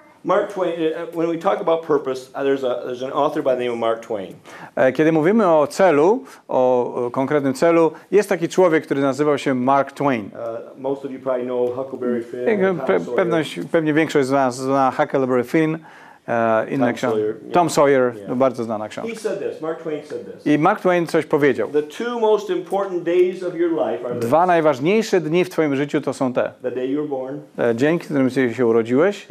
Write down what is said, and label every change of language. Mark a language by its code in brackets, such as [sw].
[en] Mark Twain, when we talk about purpose, there's an author by the name of Mark Twain. [pl] Kiedy mówimy o celu, o konkretnym celu, jest taki człowiek, który nazywał się Mark Twain. [en] Most of you probably know Huckleberry Finn. [pl] Pewnie większość z nas zna Huckleberry Finn. Inna [en] Tom Sawyer. Yeah. [pl] Tom Sawyer, yeah. Bardzo znana książka. [en] He said this, Mark Twain said this. [pl] I Mark Twain coś powiedział. [en] The two most important days of your life are [pl] dwa najważniejsze dni w twoim życiu to są te. [en] The day you were born, [pl] dzień, w którym się urodziłeś.